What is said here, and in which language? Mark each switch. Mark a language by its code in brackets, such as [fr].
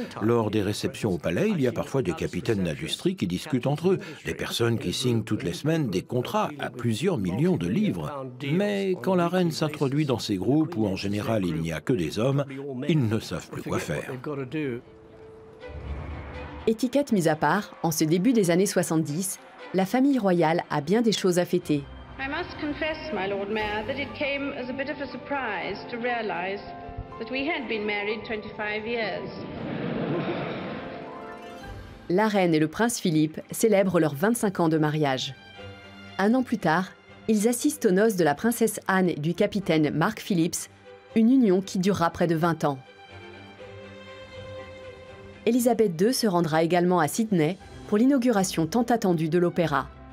[fr] Lors des réceptions au palais, il y a parfois des capitaines d'industrie qui discutent entre eux, des personnes qui signent toutes les semaines des contrats à plusieurs millions de livres. Mais quand la reine s'introduit dans ces groupes où en général il n'y a que des hommes, ils ne savent plus quoi faire. Étiquette mise à part, en ce début des années 70, la famille royale a bien des choses à fêter. [en] I must confess, my Lord Mayor, that it came as a bit of a surprise to realize that we had been married 25 years. [fr] La reine et le prince Philippe célèbrent leurs 25 ans de mariage. Un an plus tard, ils assistent aux noces de la princesse Anne et du capitaine Mark Phillips, une union qui durera près de 20 ans. Elisabeth II se rendra également à Sydney pour l'inauguration tant attendue de l'Opéra.